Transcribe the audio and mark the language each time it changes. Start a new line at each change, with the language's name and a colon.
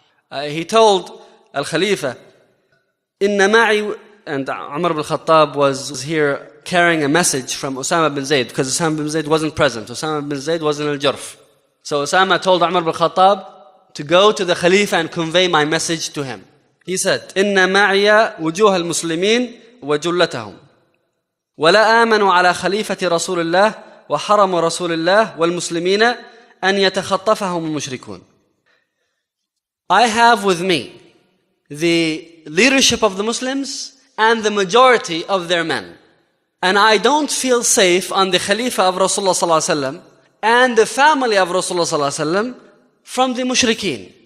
English: He told al-Khalifa,
Arabic: "Inna ma'i,"
English: and Umar bin Khattab was here carrying a message from Usama bin Zayd, because Usama bin Zayd wasn't present. Usama bin Zayd was in Al-Jurf. So Usama told Umar bin Khattab to go to the Khalifa and convey my message to him. He said,
Arabic: "Inna ma'iya wujuh al-Muslimin wa jullatahum. ولا آمنوا على خليفة رسول الله وحرم رسول الله والمسلمين أن يتخطفهم المشركون."
English: I have with me the leadership of the Muslims and the majority of their men, and I don't feel safe on the Khalifa of Rasulullah sallallahu alaihi wasallam and the family of Rasulullah sallallahu alaihi wasallam from the mushrikeen.